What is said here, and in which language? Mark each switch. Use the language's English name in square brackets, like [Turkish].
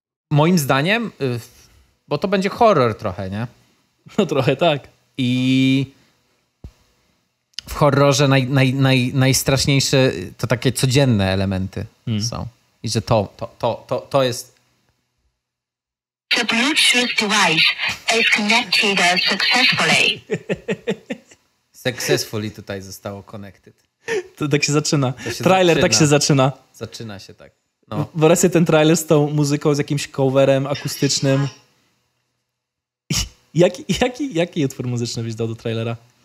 [Polish] Moim zdaniem, bo to będzie horror trochę, nie? No trochę tak. I w horrorze najstraszniejsze to takie codzienne elementy są. I że to jest... [English] The Bluetooth device is connected successfully. [Polish] Successfully tutaj zostało connected. To tak się zaczyna. Trailer tak się zaczyna. Zaczyna się tak. No. Wreszcie ten trailer z tą muzyką, z jakimś coverem akustycznym. Jaki utwór muzyczny byś dał do trailera?